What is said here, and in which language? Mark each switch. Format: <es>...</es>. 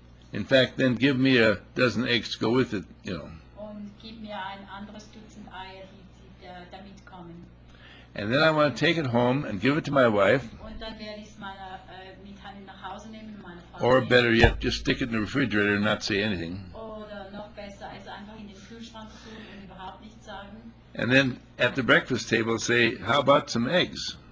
<en>In fact, then give me a dozen eggs to go with it, you know.</en> <de>Und gib mir ein anderes Dutzend Eier, die damit kommen.</de> <en>And then I want to take it home and give it to my wife.</en> <de>Und dann werde ich es mit Hand nach Hause nehmen, meiner Frau.</de> <en>Or better yet, just stick it in the refrigerator and not say anything.</en> <de>Oder noch besser, es einfach in den Kühlschrank tun und überhaupt nichts sagen.</de> <en>And then at the breakfast table say, how about some eggs?</en>